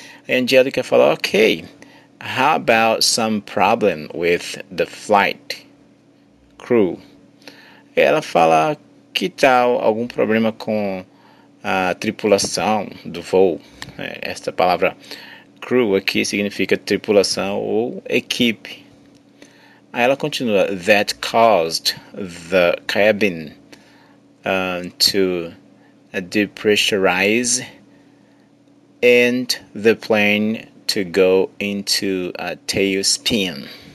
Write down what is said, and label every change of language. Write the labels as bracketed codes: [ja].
[pt] A Angelica fala, [en] ok, how about some problem with the flight crew? [pt] Ela fala, que tal algum problema com a tripulação do voo? Esta palavra crew aqui significa tripulação ou equipe. Aí ela continua, [en] that caused the cabin to depressurize and the plane to go into a tailspin.